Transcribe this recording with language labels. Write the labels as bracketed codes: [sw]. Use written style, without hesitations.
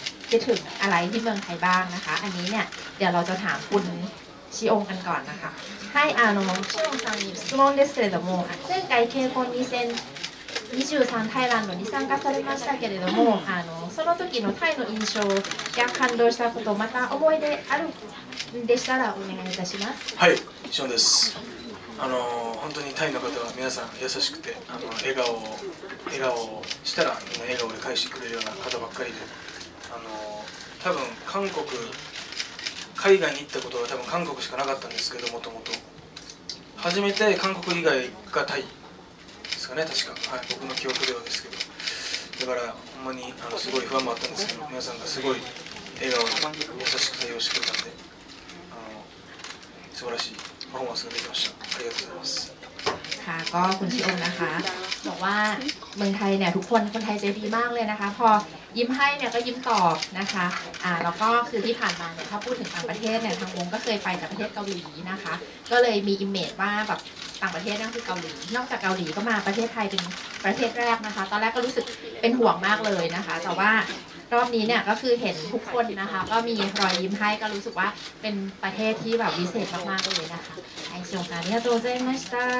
[th] คิดถึงอะไรที่เมืองไทยบ้างนะคะอันนี้เนี่ยเดี๋ยวเราจะถามคุณชิองกันก่อนนะคะให้ชิองซังมี [ja] 質問ですけれども前回เคคอน2023ไทยแลนด์に参加されましたけれどもその時のタイの印象や感動したことまた思い出あるでしたらお願いいたします。はい、ショーンです。本当にタイの方は皆さん優しくて笑顔をしたらみんな笑顔で返してくれるような方ばっかりで多分韓国海外に行ったことは多分韓国しかなかったんですけど、もともと初めて韓国以外がタイですかね、確か、はい、僕の記憶ではですけど、だからほんまにすごい不安もあったんですけど、皆さんがすごい笑顔で優しく対応してくれたんで素晴らしいパフォーマンスができました。ありがとうございます。 [th] ค่ะก็คุณชิโอนะคะบอกว่าเมืองไทยเนี่ยทุกคนคนไทยใจดีมากเลยนะคะพอยิ้มให้เนี่ยก็ยิ้มตอบนะคะแล้วก็คือที่ผ่านมาเนี่ยถ้าพูดถึงต่างประเทศเนี่ยทางวงก็เคยไปแต่ประเทศเกาหลีนะคะก็เลยมีอิมเมจว่าแบบต่างประเทศนั่นคือเกาหลีนอกจากเกาหลีก็มาประเทศไทยเป็นประเทศแรกนะคะตอนแรกก็รู้สึกเป็นห่วงมากเลยนะคะแต่ว่ารอบนี้เนี่ยก็คือเห็นทุกคนนะคะก็มีรอยยิ้มให้ก็รู้สึกว่าเป็นประเทศที่แบบวิเศษมากๆเลยนะคะ [ja] はい、ショーさん、ありがとうございました。